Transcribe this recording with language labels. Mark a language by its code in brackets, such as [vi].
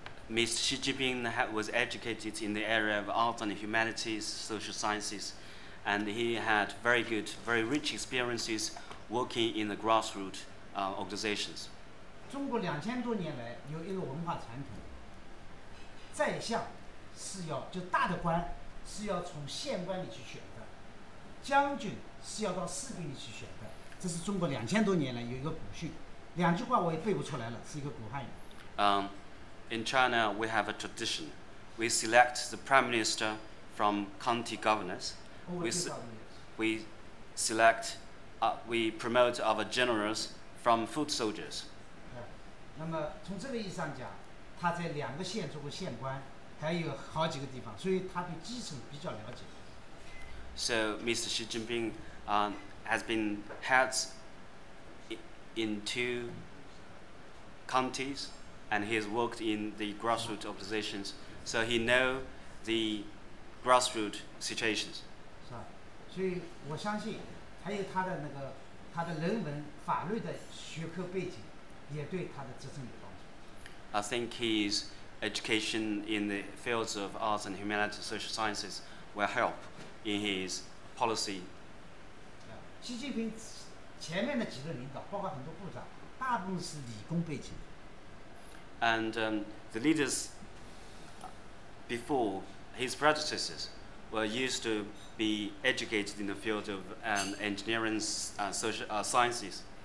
[en] Mr. Xi Jinping was educated in the area of arts and humanities, social sciences, and he had very good, very rich experiences working in the grassroots organizations. [zh] 中国两千多年来有一个文化传统，宰相是要就大的官是要从县官里去选的，将军是要到士兵里去选的，这是中国两千多年来有一个古训，两句话我也背不出来了，是一个古汉语。 [en] In China, we have a tradition. We select the prime minister from county governors. We promote our generals from foot soldiers. [zh] 那么从这个意义上讲，他在两个县做过县官，还有好几个地方，所以他对基层比较了解。 [en] So Mr. Xi Jinping, has been heads in two counties, and he has worked in the grassroots organizations, so he knows the grassroots situations. [zh] 是吧？所以我相信，还有他的那个他的人文、法律的学科背景，也对他的执政有帮助。 [en] I think his education in the fields of arts and humanities, social sciences, will help in his policy. [zh] 习近平前面的几个领导，包括很多部长，大部分是理工背景。 [en] And the leaders before his predecessors were used to be educated in the field of engineering and social sciences.